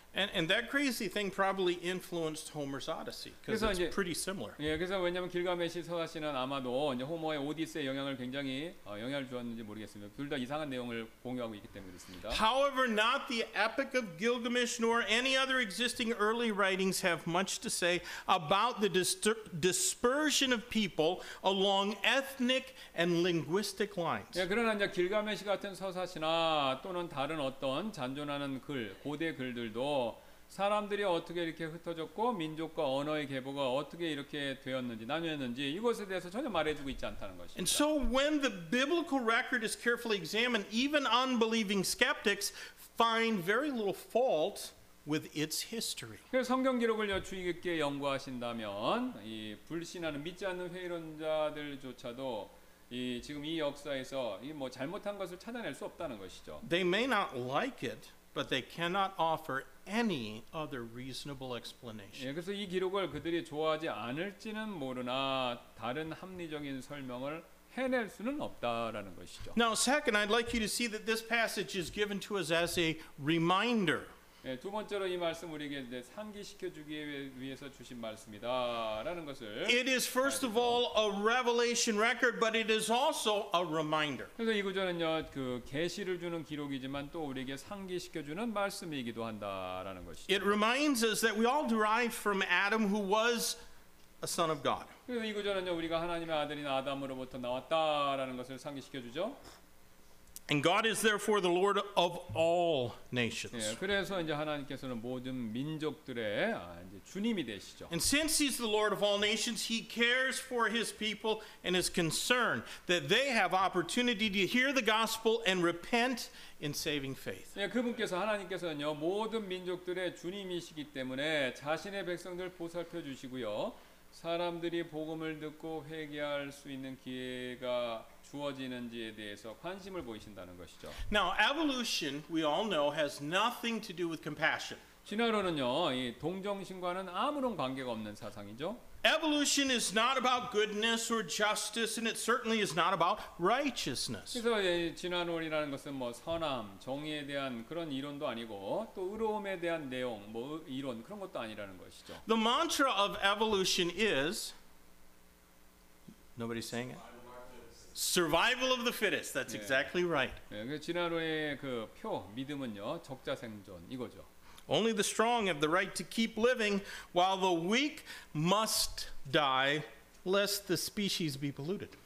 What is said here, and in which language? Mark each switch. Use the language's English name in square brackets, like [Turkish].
[English] And that crazy thing probably influenced Homer's Odyssey because it's pretty similar. [Korean] 예, 그래서 왜냐면 길가메시 서사시는 아마도 이제 호머의 오디세이 영향을 굉장히 영향을 주었는지 모르겠습니다. 둘 다 이상한 내용을 공유하고 있기 때문에 그렇습니다. [English] However, not the Epic of Gilgamesh nor any other existing early writings have much to say about the dispersion of people along ethnic and linguistic lines. [Korean] 예, 그러나 이제 길가메시 같은 서사시나 또는 다른 어떤 잔존하는 글, 고대 글들도 사람들이 어떻게 이렇게 흩어졌고 민족과 언어의 계보가 어떻게 이렇게 되었는지 나뉘었는지 이것에 대해서 전혀 말해주고 있지 않다는 것입니다. [English] And so when the biblical record is carefully examined, even unbelieving skeptics find very little fault with its history. [Korean] 성경 기록을요 주의 깊게 연구하신다면 이 불신하는 믿지 않는 회의론자들조차도 이 지금 이 역사에서 이 뭐 잘못한 것을 찾아낼 수 없다는 것이죠. [English] They may not like it, but they cannot offer any other reasonable explanation. [Korean] 예, 그래서 이 기록을 그들이 좋아하지 않을지는 모르나 다른 합리적인 설명을 해낼 수는 없다라는 것이죠. [English] Now, second, I'd like you to see that this passage is given to us as a reminder. [Korean] 예, 두 번째로 이 말씀 우리에게 이제 상기시켜 주기 위해서 주신 말씀이다라는 것을. [English] It is first of all a revelation record, but it is also a reminder. [Korean] 그래서 이 구절은요, 그 계시를 주는 기록이지만 또 우리에게 상기시켜 주는 말씀이기도 한다라는 것이죠. [English] It reminds us that we all derive from Adam, who was a son of God. [Korean] 그래서 이 구절은요, 우리가 하나님의 아들인 아담으로부터 나왔다라는 것을 상기시켜 주죠. [English] And God is therefore the Lord of all nations. [Korean] 예, 그래서 이제 하나님께서는 모든 민족들의 이제 주님이 되시죠. [English] And since He's the Lord of all nations, He cares for His people and is concerned that they have opportunity to hear the gospel and repent in saving faith. [Korean] 예, 그분께서 하나님께서는요 모든 민족들의 주님이시기 때문에 자신의 백성들 보살펴 주시고요 사람들이 복음을 듣고 회개할 수 있는 기회가 주어지는지에 대해서 관심을 보이신다는 것이죠. [English] Now evolution, we all know, has nothing to do with compassion. [Korean] 진화론은요, 이 동정심과는 아무런 관계가 없는 사상이죠. [English] Evolution is not about goodness or justice, and it certainly is not about righteousness. [Korean] 그래서 예, 진화론이라는 것은 뭐 선함, 정의에 대한 그런 이론도 아니고 또 의로움에 대한 내용, 뭐 이론 그런 것도 아니라는 것이죠. [English] The mantra of evolution is nobody saying it. Survival of the fittest. That's exactly right. [Korean] 예, 진화론의 그 표 믿음은요 적자 생존 이거죠. [English] Only the strong have the right to keep living, while the weak must die, lest the species be polluted.